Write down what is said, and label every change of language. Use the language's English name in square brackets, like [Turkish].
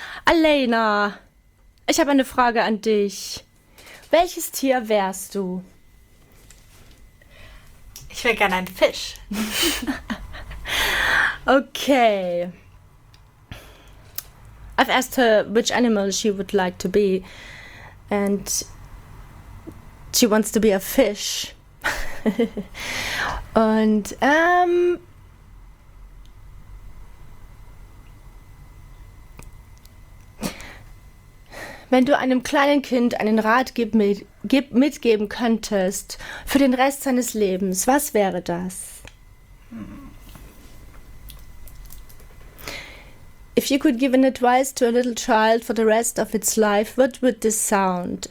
[German] Alena, ich habe eine Frage an dich. Welches Tier wärst du? Ich wäre gerne ein Fisch. Okay. [English] I've asked her which animal she would like to be. And she wants to be a fish. [German] Und, wenn du einem kleinen Kind einen Rat mitgeben könntest für den Rest seines Lebens, was wäre das? [English] If you could give an advice to a little child for the rest of its life, what would this sound?